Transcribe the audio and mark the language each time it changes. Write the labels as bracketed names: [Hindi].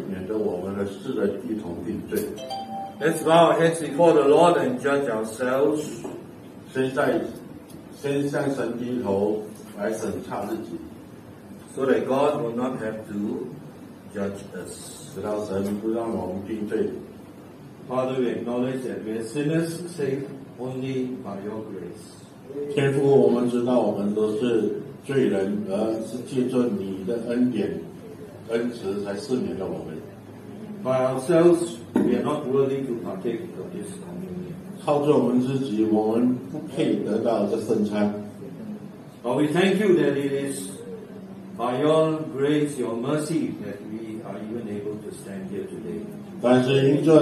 [Chinese] 我们受审的时候，乃是被主责治，免得我们的罪一同定罪。 [English] Let's bow our heads before the Lord and judge ourselves. [Chinese] 先向神低头来审查自己。 [English] So that God will not have to judge us. [Chinese] 直到神不让我们定罪。 [English] Father, we acknowledge that we are sinners saved only by your grace. [Chinese] 天父，我们知道我们都是罪人，而是借着你的恩典、恩慈才赦免了我们。 [English] By ourselves, we are not worthy to partake of this communion. [Chinese] 靠着我们自己，我们不配得到这圣餐。 [English] But we thank you that it is by your grace, your mercy, that we are even able to stand here today.